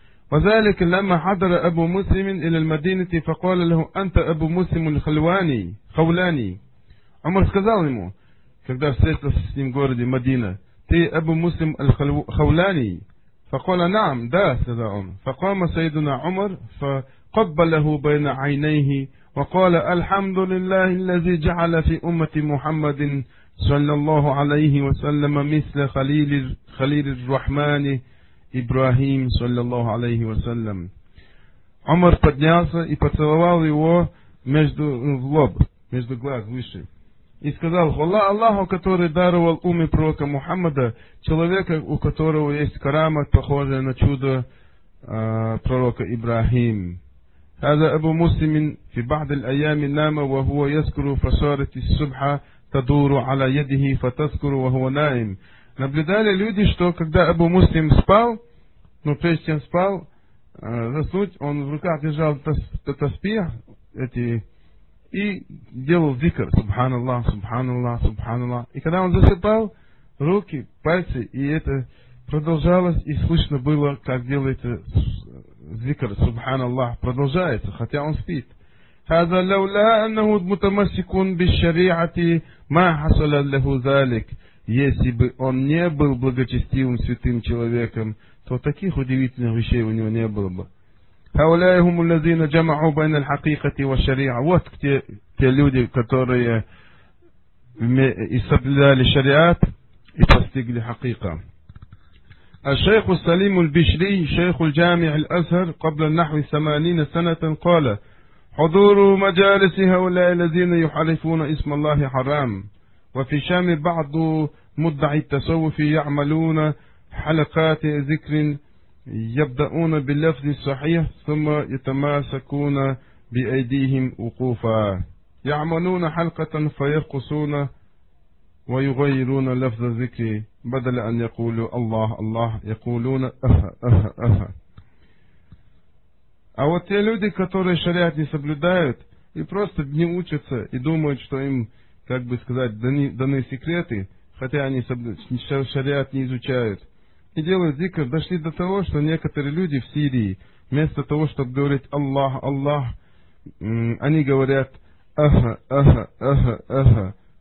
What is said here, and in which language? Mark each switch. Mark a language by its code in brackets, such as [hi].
[ar] وَذَلِكَ لَمَّا حَدَرَ أَبُو مُسْلِمٍ إِلَى الْمَدِينَةِ فَقَالَ لَهُ أَنْتَ أَبُو مُسْلِمٌ خَوْلَانِي. [ru] Умар сказал ему, когда встретился с ним в городе Мадина, ты Абу Муслим Аль-Хавлани? [ar] فَقَالَ نَعْمْ [ru] да, сказал он. [ar] فَقَامَ سَيْدُنَا عُمَرْ فَقَبَّلَهُ بَيْنَ عَيْنَيْهِ وقال الحمد لله الذي جعل في أمة محمد صلى الله عليه وسلم مثل خليل الرحمن إبراهيم صلى الله عليه وسلم. [ru] عمر поднялся и поцеловал его между лоб, между глаз выше, и сказал: хвала Аллаху, который даровал уме пророка Мухаммада, человека, у которого есть карама, похожая на чудо пророка Ибрахим. [ar] هذا أبو مسلم في بعض الأيام نام وهو يذكر فصارت الصبح تدور على يده فتذكر وهو نائم. [ru] Наблюдали люди, что когда Абу Муслим спал, но прежде чем спал, заснуть, он в руках держал тасбих эти и делал зикр Субханаллах, Субханаллах, Субханаллах. И когда он засыпал, руки, пальцы, и это продолжалось, и слышно было, как делается [ar] ذكر سبحان الله [ru] продолжает, хотя он спит. [ar] هذا لولا أنه متمسك بالشريعة ما حصل له ذلك. [ru] Если бы он не был благочестивым святым человеком, то таких удивительных вещей у него не было бы. [ar] هؤلاء هم الذين جمعوا بين الحقيقة والشريعة. [ru] Вот те люди, которые и соблюдали шариат и постигли хакика. [ar] الشيخ السليم البشري شيخ الجامع الأزهر قبل النحو 80 سنة قال حضور مجالس هؤلاء الذين يحرفون اسم الله حرام وفي شام بعض مدعي التصوف يعملون حلقات ذكر يبدأون باللفظ الصحيح ثم يتماسكون بأيديهم وقوفا يعملون حلقة فيرقصون ويغيرون لفظ الذكر بدل أن يقولوا الله الله يقولون أفا أفا أفا. [ru] А вот те люди, которые шариат не соблюдают и просто не учатся и думают, что им, как бы сказать, даны секреты, хотя они шариат не изучают, и делают зикр, дошли до того, что некоторые люди в Сирии, вместо того, чтобы говорить «Аллах, Аллах», они говорят «Аха, аха, аха, аха».